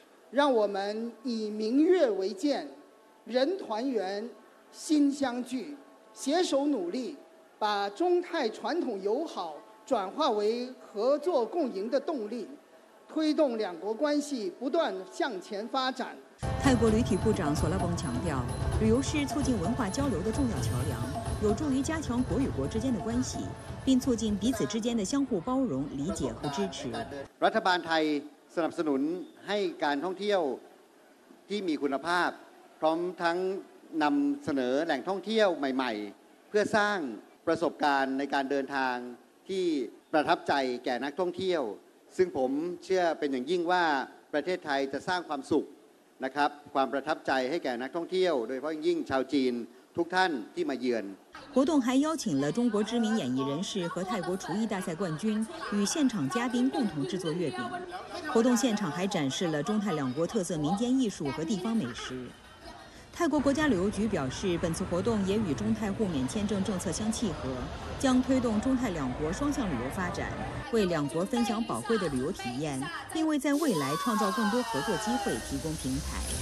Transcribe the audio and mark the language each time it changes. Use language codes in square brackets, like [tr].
[zh] 让我们以明月为鉴，人团圆，心相聚，携手努力，把中泰传统友好转化为合作共赢的动力，推动两国关系不断向前发展。泰国旅体部长索拉邦强调，旅游是促进文化交流的重要桥梁，有助于加强国与国之间的关系，并促进彼此之间的相互包容、理解和支持。 [th] รัฐบาลไทยสนับสนุนให้การท่องเที่ยวที่มีคุณภาพพร้อมทั้งนำเสนอแหล่งท่องเที่ยวใหม่ๆเพื่อสร้างประสบการณ์ในการเดินทางที่ประทับใจแก่นักท่องเที่ยวซึ่งผมเชื่อเป็นอย่างยิ่งว่าประเทศไทยจะสร้างความสุขนะครับความประทับใจให้แก่นักท่องเที่ยวโดยเฉพาะยิ่งชาวจีนทุกท่านที่มาเยือน。 [zh] 活动还邀请了中国知名演艺人士和泰国厨艺大赛冠军与现场嘉宾共同制作月饼。活动现场还展示了中泰两国特色民间艺术和地方美食。泰国国家旅游局表示，本次活动也与中泰互免签证政策相契合，将推动中泰两国双向旅游发展，为两国分享宝贵的旅游体验，并为在未来创造更多合作机会提供平台。